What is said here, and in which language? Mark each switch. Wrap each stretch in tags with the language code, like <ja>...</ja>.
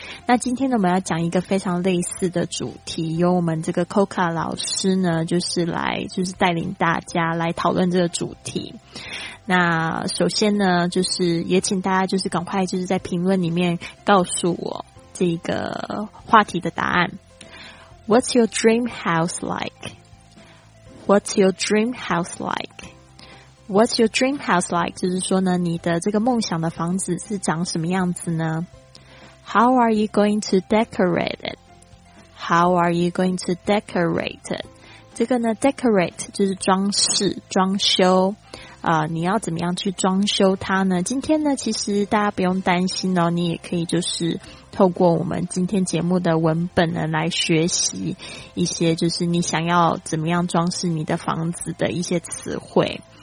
<zh>那今天呢，我们要讲一个非常类似的主题，由我们这个 Coca 老师呢，就是来就是带领大家来讨论这个主题。那首先呢，就是也请大家就是赶快就是在评论里面告诉我这个话题的答案。</zh> <en>What's your dream house like? What's your dream house like? What's your dream house like?</en> <zh>就是说呢，你的这个梦想的房子是长什么样子呢？</zh> <en>How are you going to decorate it? How are you going to decorate it?</en> <zh>这个呢 ,decorate 就是装饰装修、你要怎么样去装修它呢？今天呢其实大家不用担心哦，你也可以就是透过我们今天节目的文本呢来学习一些就是你想要怎么样装饰你的房子的一些词汇。</zh>